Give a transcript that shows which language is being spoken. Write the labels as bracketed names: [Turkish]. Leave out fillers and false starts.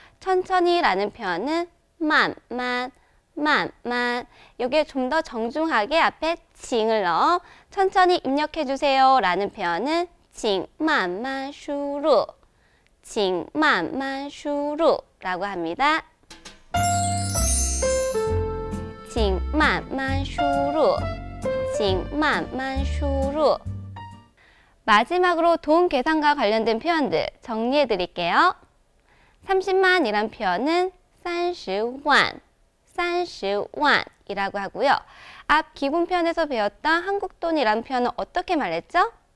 [Korean] 천천히 라는 표현은 만만, 만만. 여기에 좀 더 정중하게 앞에 징을 넣어 천천히 입력해 주세요 라는 표현은 징만만 슈루, 징만만 슈루 라고 합니다. [Chinese] 请慢慢输入, 请慢慢输入. [Korean] 마지막으로 돈 계산과 관련된 표현들 정리해 드릴게요. 30만이란 표현은 30만, 30만 이라고 하고요. 앞 기본 표현에서 배웠던 한국 돈이란 표현은 어떻게 말했죠?